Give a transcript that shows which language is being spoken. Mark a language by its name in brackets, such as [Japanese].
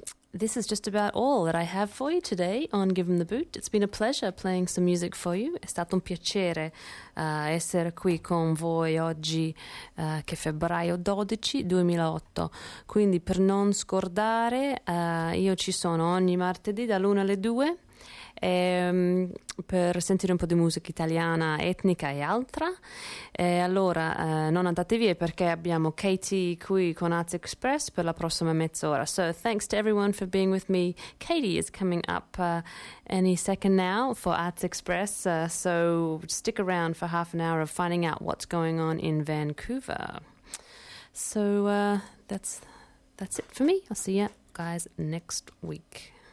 [English] This is just about all that I have for you today on Give 'em the Boot. It's been a pleasure playing some music for you. [Italian] È stato un piacere essere qui con voi oggi, che è febbraio 12, 2008. Quindi per non scordare, io ci sono ogni martedì dall'1 alle 2. Per sentire un po' di musica italiana etnica e altra, allora non andate via perché abbiamo Katie qui con Arts Express per la prossima mezz'ora. [English] So thanks to everyone for being with me. Katie is coming up any second now for Arts Express, so stick around for half an hour of finding out what's going on in Vancouver. So that's it for me. I'll see you guys next week.